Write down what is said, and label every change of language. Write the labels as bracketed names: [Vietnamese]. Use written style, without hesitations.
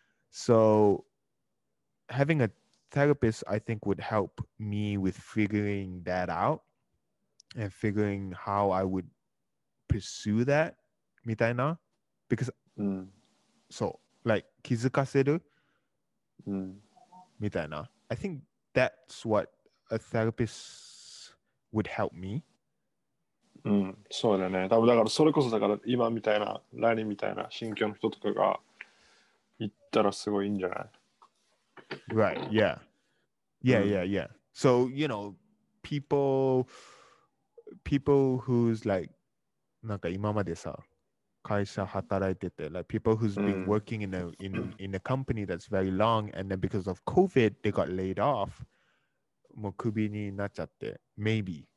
[English] So having a therapist, I think, would help me with figuring that out and figuring how I would pursue that, [Japanese] みたいな。 [English] Because, so, like, [Japanese] 気づかせる、みたいな。 [English] I think that's what a therapist would help me. [Japanese] うん、そうだね。多分だからそれこそだから今みたいな、ラニみたいな心境の人とかが行ったらすごいいいんじゃない [English] Right, yeah. Yeah,、 [Japanese] うん、 [English] yeah, yeah. So, you know, people who's like, [Japanese] なんか今までさ、会社働いてて、 [English] like people who's been working in a company that's very long, and then because of COVID, they got laid off, [Japanese] もうクビになっちゃって、 [English] maybe.